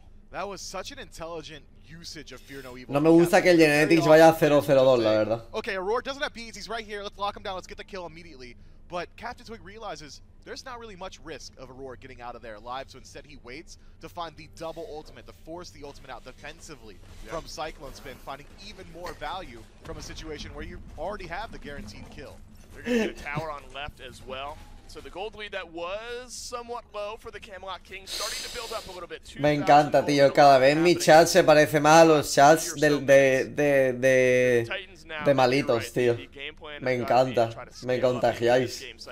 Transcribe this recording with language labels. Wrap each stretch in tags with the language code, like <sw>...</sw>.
<en>That was such an intelligent usage of Fear No Evil.</en> <es>No me gusta que el Genetics vaya a 0-0-2, la verdad.</es> <en>Okay, Aurora doesn't have beads. He's right here. Let's lock him down. Let's get the kill immediately. But Captain Twig realizes there's not really much risk of Aurora getting out of there alive. So instead, he waits to find the double ultimate, to force the ultimate out defensively from Cyclone Spin, finding even more value from a situation where you already have the guaranteed kill. They're going to get a tower on left as well. So the gold lead that was somewhat low for the Camelot King starting to build up a little bit.</en> <es>Me encanta, tío, cada vez mi chat se parece más a los chats de malitos, tío. Me encanta, me contagiáis.</es>